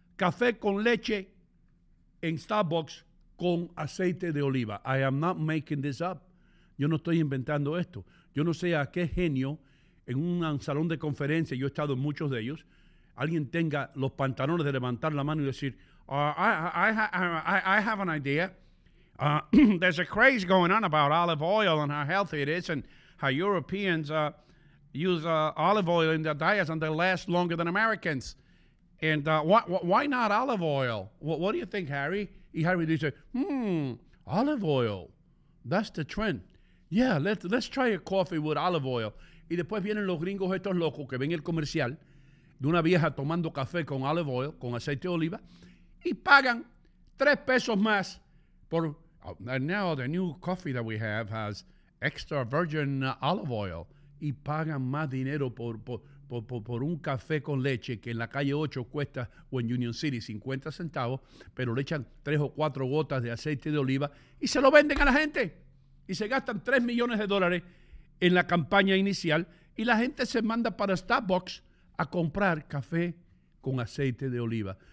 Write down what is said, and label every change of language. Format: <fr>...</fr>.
<es>Café con leche en Starbucks con aceite de oliva.</es> <en>I am not making this up.</en> <es>Yo no estoy inventando esto. Yo no sé a qué genio en un salón de conferencia, yo he estado en muchos de ellos, alguien tenga los pantalones de levantar la mano y decir,</es> <en>I have an idea. There's a craze going on about olive oil and how healthy it is and how Europeans use olive oil in their diets and they last longer than Americans. And why not olive oil? What do you think, Harry?</en> <es>Y Harry dice,</es> <en>olive oil. That's the trend. Yeah, let's try a coffee with olive oil.</en> <es>Y después vienen los gringos estos locos que ven el comercial de una vieja tomando café con olive oil, con aceite de oliva, y pagan $3 más por...</es> <en>And now the new coffee that we have has extra virgin olive oil.</en> <es>Y pagan más dinero por un café con leche que en la calle 8 cuesta, o en Union City, 50 centavos, pero le echan 3 o 4 gotas de aceite de oliva y se lo venden a la gente. Y se gastan $3 millones en la campaña inicial y la gente se manda para Starbucks a comprar café con aceite de oliva.</es>